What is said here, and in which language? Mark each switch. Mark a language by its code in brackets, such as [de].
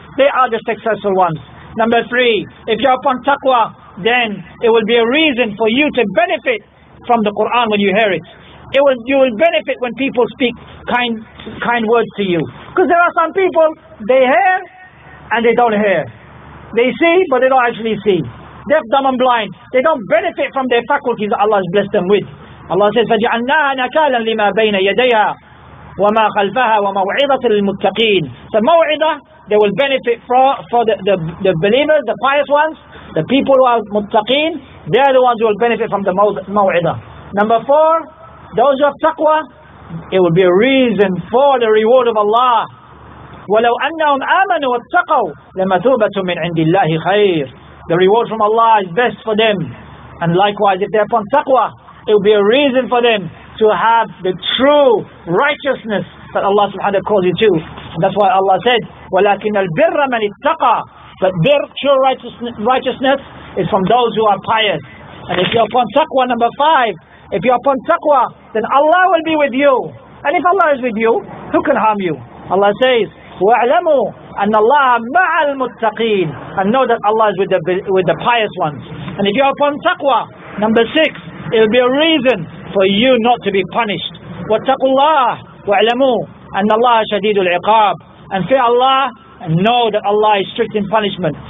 [en] They are the successful ones. Number three, if you're upon taqwa, then it will be a reason for you to benefit from the Qur'an when you hear it. You will benefit when people speak kind words to you. Because there are some people, they hear and they don't hear. They see, but they don't actually see. Deaf, dumb and blind. They don't benefit from their faculties that Allah has blessed them with. Allah says, [ar] فَجَعَلْنَاهَا نَكَالًا لِمَا بَيْنَ يَدَيْهَا وَمَا خَلْفَهَا وَمَوْعِظَةً لِلْمُتَّقِينَ. [en] So maw'idah, they will benefit for the believers, the pious ones, the people who are muttaqeen. They are the ones who will benefit from the maw'idah. Number four, those who have taqwa, it will be a reason for the reward of Allah. [ar] وَلَوْ أَنَّهُمْ آمَنُوا وَاتَّقَوْا لَمَثُوبَةٌ مِنْ عِنْدِ اللَّهِ خَيْرٌ. [en] The reward from Allah is best for them. And likewise, if they're upon taqwa, it will be a reason for them to have the true righteousness that Allah subhanahu wa ta'ala calls you to. That's why Allah said, [ar] وَلَكِنَ الْبِرَّ مَنِ اتَّقَى. [en] But bir, pure righteousness, is from those who are pious. And if you're upon taqwa, number five, if you're upon taqwa, then Allah will be with you. And if Allah is with you, who can harm you? Allah says, [ar] وَاعْلَمُوا أَنَّ اللَّهَ مَعَ الْمُتَّقِينَ. [en] And know that Allah is with the pious ones. And if you're upon taqwa, number six, it'll be a reason for you not to be punished. [ar] وَاتَّقُوا اللَّهَ وَاعْلَمُوا أَنَّ اللَّهَ شَدِيدُ الْعِقَابِ. [en] And fear Allah and know that Allah is strict in punishment.